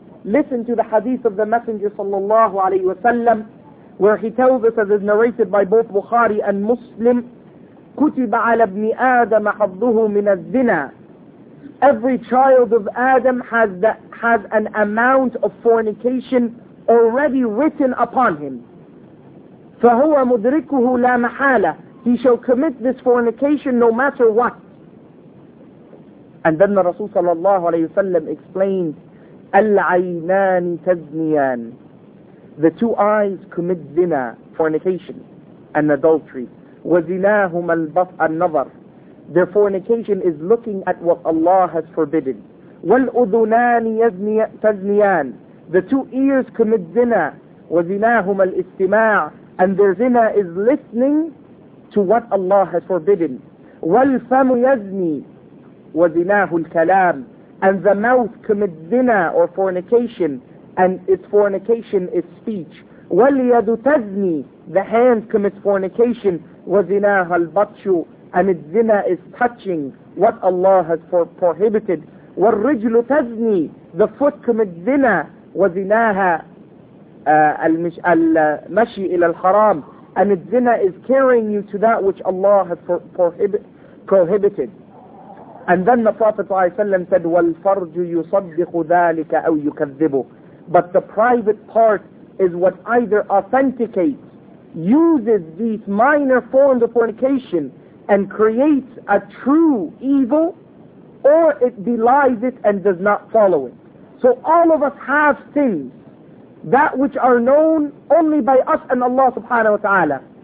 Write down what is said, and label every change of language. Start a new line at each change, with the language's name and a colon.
English: Listen to the hadith of the Messenger sallallahu alayhi wa sallam, where he tells us, as is narrated by both Bukhari and Muslim,
Arabic: كُتِبَ عَلَى ابْنِ آدَمَ حَظُّهُ مِنَ الزِّنَى.
English: Every child of Adam has an amount of fornication already written upon him.
Arabic: فَهُوَ مُدْرِكُهُ لَا مَحَالَ.
English: He shall commit this fornication no matter what. And then the Rasul صلى الله عليه وسلم explained,
Arabic: الْعَيْنَانِ تَزْنِيَانِ.
English: The two eyes commit zina, fornication, and adultery.
Arabic: وَزِنَاهُمَ الْبَطْءَ النَّظَرِ.
English: Their fornication is looking at what Allah has forbidden.
Arabic: وَالْأُذُنَانِ تَزْنِيَانِ.
English: The two ears commit zina.
Arabic: وَزِنَاهُمَ الْإِسْتِمَاعِ.
English: And their zina is listening to what Allah has forbidden.
Arabic: وَالْفَمُ يَزْنِي. وَزِنَاهُ الْكَلَامِ.
English: And the mouth commits zina or fornication, and its fornication is speech.
Arabic: وَالْيَدُ تَزْنِي.
English: The hand commits fornication.
Arabic: وَزِنَاهَ الْبَطْشُ.
English: And its zina is touching what Allah has prohibited.
Arabic: وَالْرِجْلُ تَزْنِي.
English: The foot commits zina.
Arabic: وَزِنَاهَ الْمَشِي إِلَى الْحَرَامِ.
English: And its zina is carrying you to that which Allah has prohibited. And then the Prophet ﷺ said,
Arabic: وَالْفَرْجُ يُصَدِّقُ ذَلِكَ أَوْ يُكَذِّبُهُ.
English: But the private part is what either authenticates, uses these minor forms of fornication and creates a true evil, or it belies it and does not follow it. So all of us have sins, that which are known only by us and Allah subhanahu wa ta'ala.